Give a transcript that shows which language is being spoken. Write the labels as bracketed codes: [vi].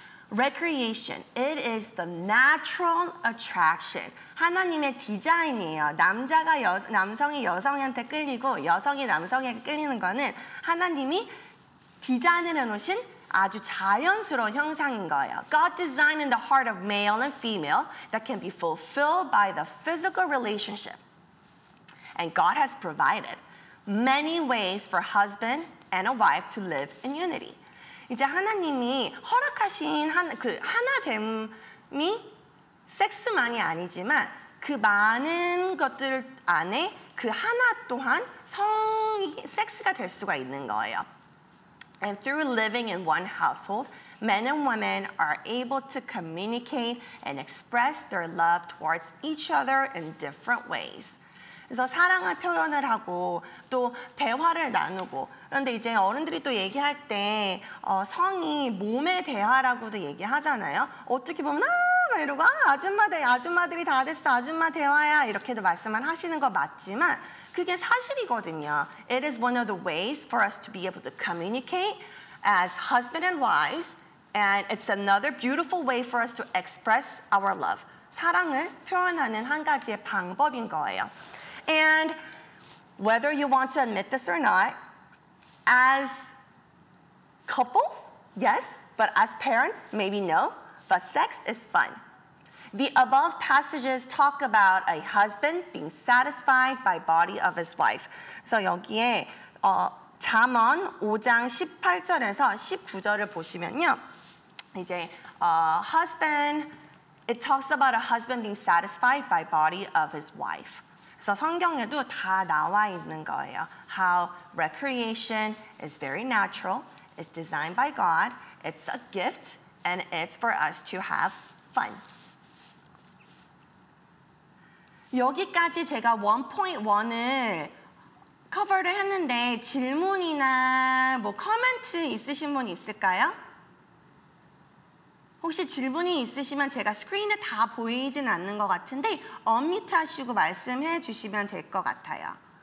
[en] Recreation, it is the natural attraction. [ko] 하나님의 디자인이에요. 남자가 남성이 여성한테 끌리고 여성이 남성에게 끌리는 거는 하나님이 디자인을 해놓으신 아주 자연스러운 형상인 거예요. [en] God designed in the heart of male and female that can be fulfilled by the physical relationship. And God has provided many ways for husband and a wife to live in unity. [ko] 이제 하나님이 허락하신 하나됨이 섹스만이 아니지만 그 많은 것들 안에 그 하나 또한 성이 섹스가 될 수가 있는 거예요. [en] And through living in one household, men and women are able to communicate and express their love towards each other in different ways. [ko] 그래서 사랑을 표현을 하고 또 대화를 나누고 그런데 이제 어른들이 또 얘기할 때 성이 몸의 대화라고도 얘기하잖아요. 어떻게 보면 아 이러고 아 아줌마 대 아줌마들이 다 됐어 아줌마 대화야 이렇게도 말씀을 하시는 거 맞지만 그게 사실이거든요. [en] It is one of the ways for us to be able to communicate as husband and wives, and it's another beautiful way for us to express our love. [ko] 사랑을 표현하는 한 가지의 방법인 거예요. [en] And whether you want to admit this or not, as couples, yes, but as parents, maybe no, but sex is fun. The above passages talk about a husband being satisfied by body of his wife. [ko] So 여기에 잠언 5장 18절에서 19절을 보시면요. [en] 이제 husband, it talks about a husband being satisfied by body of his wife. [ko] So 성경에도 다 나와 있는 거예요. [en] How recreation is very natural, it's designed by God, it's a gift, and it's for us to have fun. [ko] 여기까지 제가 1.1을 커버를 했는데 질문이나 뭐 코멘트 있으신 분 있을까요? 혹시 질문이 있으시면 제가 스크린에 다 보이진 않는 것 같은데 언뮤트 하시고 말씀해 주시면 될 것 같아요.